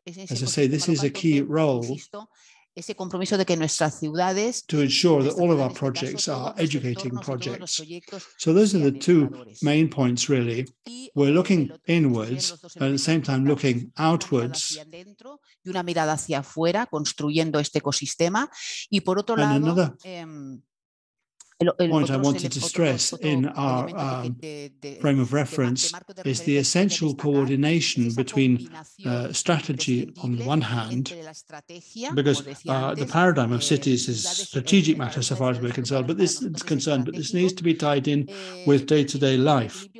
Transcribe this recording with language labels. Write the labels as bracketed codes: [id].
[en] As I say, this is a key role. [es] Ese compromiso de que nuestras ciudades, [en] to ensure that all of our projects are educating projects. So those are the two main points, really. We're looking inwards and at the same time looking outwards. [es] Y una mirada hacia afuera, construyendo este ecosistema. Y por otro [en] and [es] lado, [en] another point I wanted to stress in our frame of reference is the essential coordination between strategy on the one hand, because the paradigm of cities is strategic matter so far as we're concerned, but this needs to be tied in with day-to-day life.